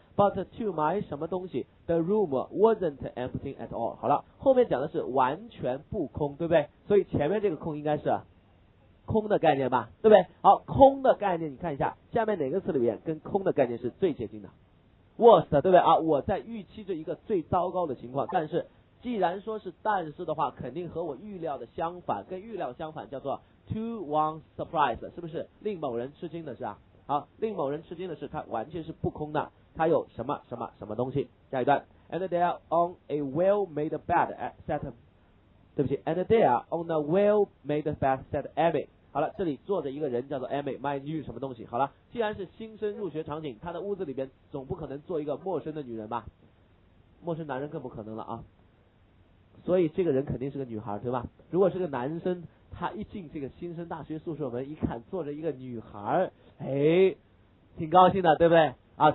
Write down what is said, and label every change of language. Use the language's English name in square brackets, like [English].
[English] but to my 什么东西 the room wasn't empty at all。 [Chinese] 好了，后面讲的是完全不空，对不对？所以前面这个空应该是空的概念吧，对不对？好，空的概念你看一下下面哪个词里面跟空的概念是最接近的， worst， 对不对啊？我在预期着一个最糟糕的情况，但是既然说是但是的话，肯定和我预料的相反，跟预料相反叫做 to one surprise，是不是令某人吃惊的是啊？好，令某人吃惊的是它完全是不空的，它有什么什么什么东西。 [English] 下一段， and they are on a well made bed set up，对不起， and there on a well made bed said Amy。 [Chinese] 好了，这里坐着一个人叫做 Amy， my new 什么东西。好了，既然是新生入学场景，他的屋子里边总不可能坐一个陌生的女人吧，陌生男人更不可能了啊，所以这个人肯定是个女孩，对吧？如果是个男生，他一进这个新生大学宿舍门一看，坐着一个女孩，哎，挺高兴的，对不对啊？